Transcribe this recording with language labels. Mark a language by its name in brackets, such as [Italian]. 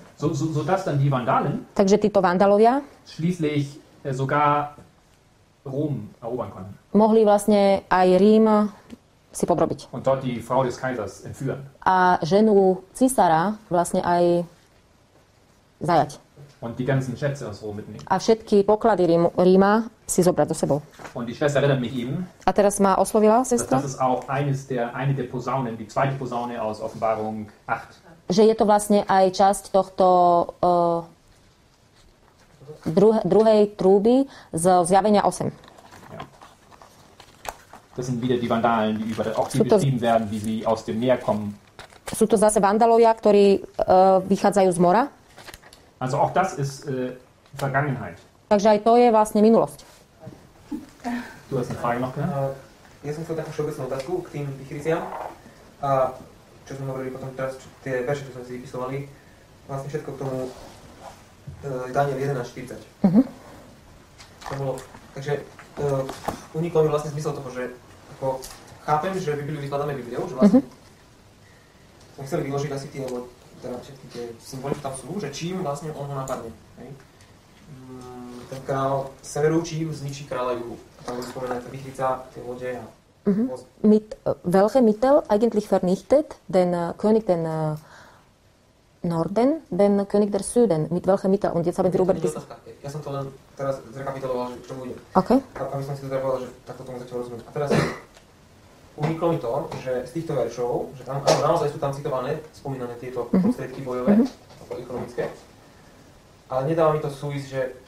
[German] So dass dann die Vandalen. [Slovak] Takže títo Vandalovia. [German] Schließlich sogar Rom erobern konnten. [Slovak] Mohli vlastne aj Rím si podrobiť. [German] Und dort die Frau des Kaisers entführen. [Slovak] A ženu Císara vlastne aj zajať. [German] Und die ganzen Schätze aus Rom mitnehmen. [Slovak] A všetky poklady Ríma si zobrať do sebou. [German] Und die Schwester erinnert mich eben. [Slovak] A teraz ma oslovila sestra. [German] Das ist auch eine der Posaunen, die zweite Posaune aus Offenbarung 8. [Slovak] Že je to vlastne aj časť tohto druhej trúby z zjavenia 8. [German] Ja. Das sind wieder die Vandalen, die über auch die beschrieben werden, wie sie aus dem Meer kommen. [Slovak] Sú to zase Vandalovia, ktorí vychádzajú z mora. [German] Also auch das ist Vergangenheit. [Slovak] Takže aj to je vlastne minulosť. [German] Du hast eine Frage noch, ne? [Slovak] Ja som chcel takú všeobecnú otázku k tým Chrystiam. Čo sme hovorili potom teraz, tie verše, čo sme si vypisovali, vlastne všetko k tomu Daniel 11.40. Uh-huh. To bolo, takže uniklo mi vlastne zmysel toho, že ako chápem, že Bibliu vykladáme Bibliou, že vlastne sme chceli vyložiť asi tie, lebo teda všetky tie symboly tam sú, že čím vlastne on ho napadne. Hej? Ten král severu, čím zničí krále juhu. Tam už spomenáme, to vychlica, tie lode a... Mhm. [German] Welche Mittel eigentlich vernichtet den König den Norden, den König der Süden? Mit welchen Mitteln? Und jetzt haben wir über [Slovak] das... Ja, ja som to len teraz zrekapituloval, že čo bude. OK. Aby som si to zrekapituloval, že takto tomu začal rozumieť. A teraz uniklo mi to, že z týchto veršov, že tam áno, naozaj sú tam citované, spomínané tieto prostriedky bojové, ako ekonomické, ale nedáva mi to súvisť, že...